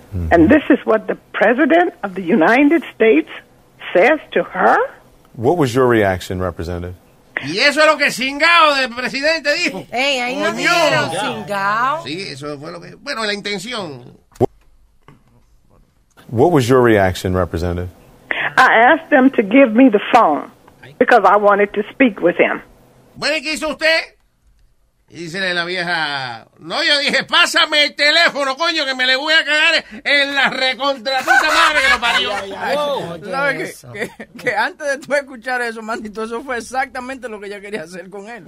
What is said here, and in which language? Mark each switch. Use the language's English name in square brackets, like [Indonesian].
[English] And this is what the president of the United States says to her. What was your reaction, Representative? [Spanish] Y eso es lo que Singao del presidente dijo. ¡Ey, ahí no dijeron Singao! Sí, eso fue lo que. Bueno, la intención. [English] What was your reaction, Representative? I asked them to give me the phone because I wanted to speak with him. [Spanish] Bueno, ¿qué hizo usted? Y dice la vieja, no, yo dije, pásame el teléfono, coño, que me le voy a cagar en la recontra puta madre que lo parió. [English] Wow. [Spanish] Que antes de tú escuchar eso, maldito, eso fue exactamente lo que ella quería hacer con él.